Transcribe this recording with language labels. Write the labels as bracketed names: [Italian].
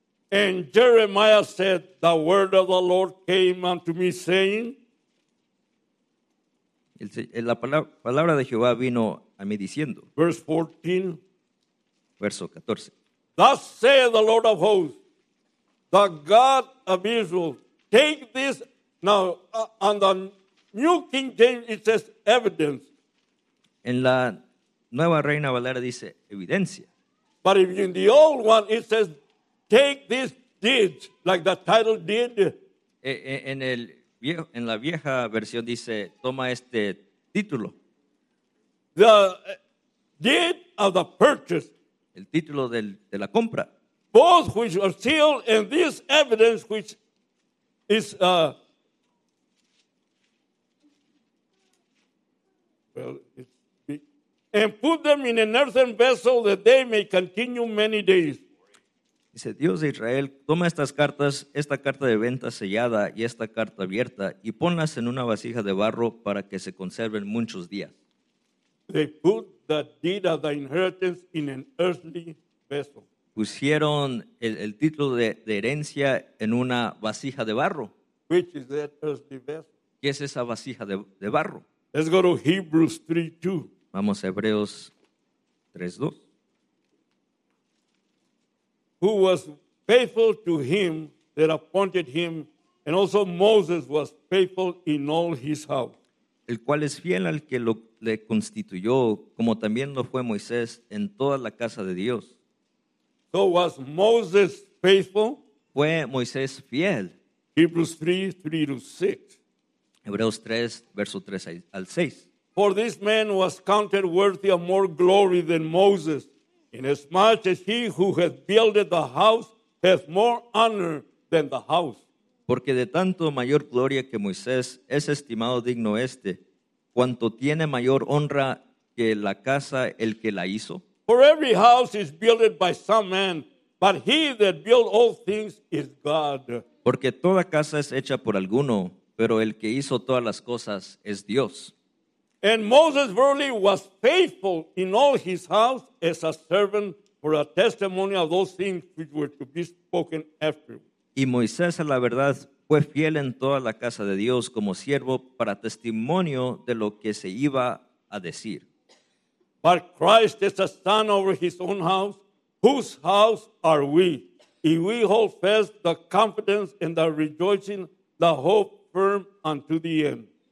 [English] And Jeremiah said, "The word of the Lord came unto me, saying." [Spanish] La palabra de Jehová vino a mí diciendo. [English] Verse 14. Thus saith the Lord of hosts, the God of Israel, take this Now, on the New King James, it says evidence. [Spanish] En la Nueva Reina Valera dice evidencia. [English] But if in the old one, it says, take these deeds, like the title did. [Spanish] En la vieja versión dice, toma este título. [English] The deed of the purchase. [Spanish] El título del, de la compra. [English] Both which are sealed and this evidence which is, and put them in an earthen vessel that they may continue many days. [Spanish] Dice Dios de Israel, toma estas cartas, esta carta de venta sellada y esta carta abierta y ponlas en una vasija de barro para que se conserven muchos días. [English] They put the deed of the inheritance in an earthly vessel. [Spanish] Pusieron el título de herencia en una vasija de barro. [English] Which is that earthly vessel? [Spanish] ¿Qué es esa vasija de barro? [English] Let's go to Hebrews 3:2. [Spanish] Vamos a Hebreos 3:2. [English] Who was faithful to him that appointed him, and also Moses was faithful in all his house. [Spanish] El cual es fiel al que lo le constituyó, como también lo fue Moisés en toda la casa de Dios. [English] So was Moses faithful? [Spanish] Fue Moisés fiel. [English] Hebrews 3:3-6. [Spanish] Hebreos 3, verso 3 al 6. [English] For this man was counted worthy of more glory than Moses, inasmuch as he who hath builded the house hath more honor than the house. [Spanish] Porque de tanto mayor gloria que Moisés es estimado digno este, cuanto tiene mayor honra que la casa el que la hizo. [English] For every house is builded by some man, but he that built all things is God. [Spanish] Porque toda casa es hecha por alguno, pero el que hizo todas las cosas es Dios. [English] And Moses verily was faithful in all his house as a servant for a testimony of those things which were to be spoken after. [Spanish] Y Moisés, a la verdad, fue fiel en toda la casa de Dios como siervo para testimonio de lo que se iba a decir. [English] But Christ is a son over his own house, whose house are we? If we hold fast the confidence and the rejoicing, the hope firm unto the end.